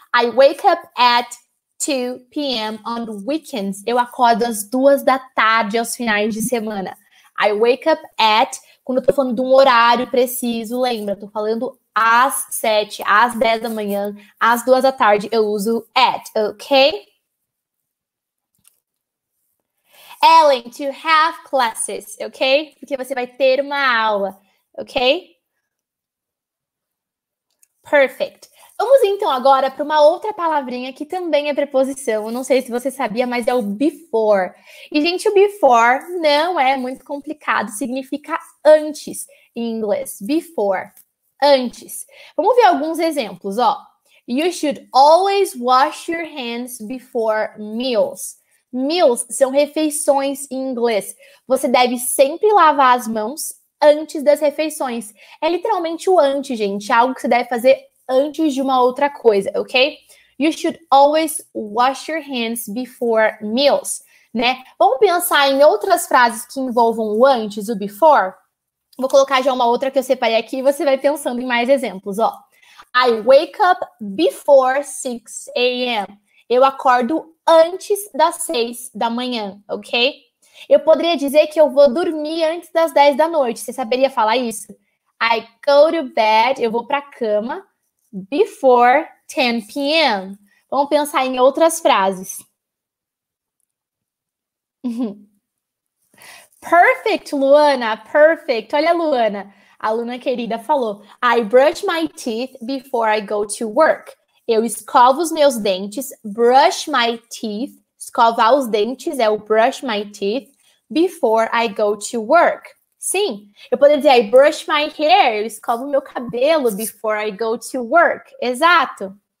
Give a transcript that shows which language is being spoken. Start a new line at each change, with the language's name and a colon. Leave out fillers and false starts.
English: I wake up at 2 p.m. on weekends.
Portuguese: Eu acordo às 2 da tarde, aos finais de semana.
English: I wake up at.
Portuguese: Quando eu estou falando de um horário preciso, lembra? Estou falando às 7, às 10 da manhã, às 2 da tarde, eu uso at, ok?
English: Ellen, to have classes, ok?
Portuguese: Porque você vai ter uma aula, ok? Perfect. Vamos então agora para uma outra palavrinha que também é preposição. Eu não sei se você sabia, mas é o before. E, gente, o before não é muito complicado, significa antes em inglês. Before, antes. Vamos ver alguns exemplos, ó.
English: You should always wash your hands before meals.
Portuguese: Meals são refeições em inglês. Você deve sempre lavar as mãos antes das refeições. É literalmente o antes, gente. É algo que você deve fazer antes de uma outra coisa, ok?
English: You should always wash your hands before meals, né?
Portuguese: Vamos pensar em outras frases que envolvam o antes, o before? Vou colocar já uma outra que eu separei aqui e você vai pensando em mais exemplos, ó.
English: I wake up before 6 a.m.
Portuguese: Eu acordo antes das 6 da manhã, ok? Eu poderia dizer que eu vou dormir antes das 10 da noite. Você saberia falar isso?
English: I go to bed,
Portuguese: eu vou para a cama,
English: before 10 p.m.
Portuguese: Vamos pensar em outras frases.
English: Perfect, Luana. Perfect. Olha, Luana.
Portuguese: A Luana querida falou:
English: I brush my teeth before I go to work.
Portuguese: Eu escovo os meus dentes.
English: Brush my teeth.
Portuguese: Escovar os dentes é o
English: brush my teeth before I go to work.
Portuguese: Sim, eu poderia dizer
English: I brush my hair,
Portuguese: eu escovo meu cabelo
English: before I go to work.
Portuguese: Exato.